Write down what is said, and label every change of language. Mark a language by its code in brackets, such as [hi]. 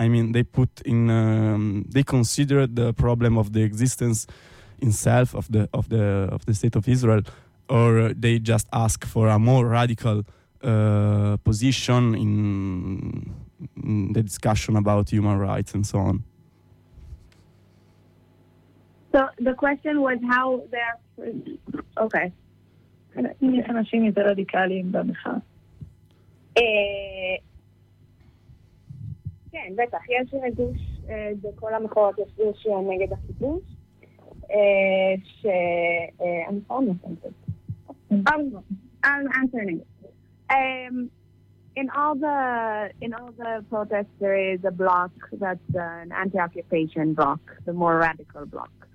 [en] I mean, they put in, they consider the problem of the existence itself of the state of Israel, or they just ask for a more radical position in the discussion about human rights and so on. So the question was how they are, okay. [he] אנשים יותר רדיקליים במחאה. כן, בטח. יש רגוש בכל המחאות, יש רגוש נגד הכיבוש, אני לא מבין. [en] In all the protests, there is a block that's an anti-occupation block, the more radical block.